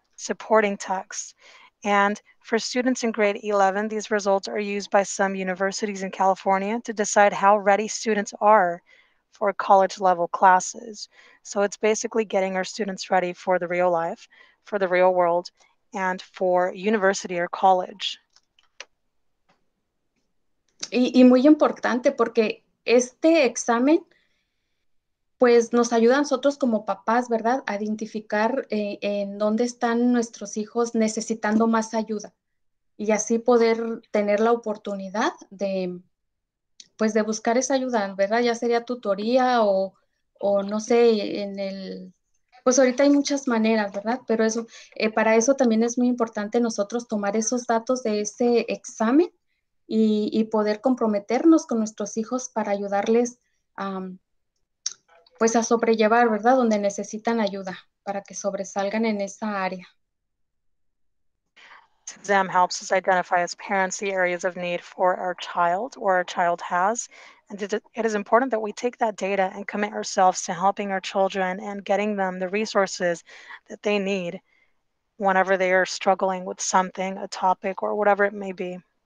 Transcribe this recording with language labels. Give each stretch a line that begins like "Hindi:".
English: Supporting text. And for students in grade 11, these results are used by some universities in California to decide how ready students are for college level classes. So it's basically getting our students ready for the real life, for the real world, and for university or college.
Spanish: Y muy importante porque este examen pues nos ayuda a nosotros como papás, ¿verdad?, a identificar en dónde están nuestros hijos necesitando más ayuda y así poder tener la oportunidad de, pues de buscar esa ayuda, ¿verdad? Ya sería tutoría o no sé, en el, pues ahorita hay muchas maneras, ¿verdad? Pero eso, para eso también es muy importante nosotros tomar esos datos de ese examen y poder comprometernos con nuestros hijos para ayudarles a pues a sobrellevar, ¿verdad? Donde necesitan ayuda para que sobresalgan en esa área.
English: This exam helps us identify as parents the areas of need for our child or our child has. And it is important that we take that data and commit ourselves to helping our children and getting them the resources that they need whenever they are struggling with something, a topic, or whatever it may be.